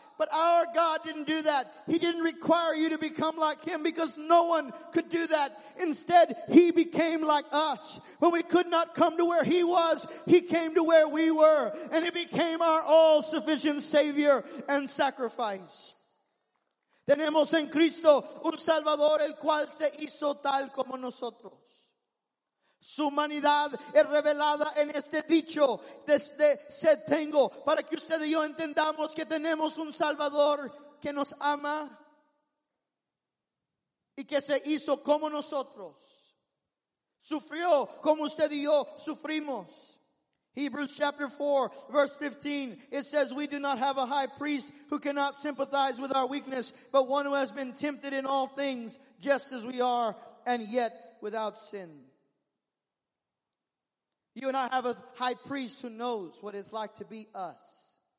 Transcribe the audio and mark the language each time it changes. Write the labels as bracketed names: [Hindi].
[English] But our God didn't do that. He didn't require you to become like him because no one could do that. Instead, he became like us. When we could not come to where he was, he came to where we were. And he became our all-sufficient Savior and sacrifice. [Spanish] Tenemos en Cristo un Salvador el cual se hizo tal como nosotros. Su humanidad es revelada en este dicho de este sed tengo para que usted y yo entendamos que tenemos un Salvador que nos ama y que se hizo como nosotros. Sufrió como usted y yo sufrimos. [English] Hebrews chapter 4, verse 15, it says, we do not have a high priest who cannot sympathize with our weakness, but one who has been tempted in all things, just as we are, and yet without sin. You and I have a high priest who knows what it's like to be us.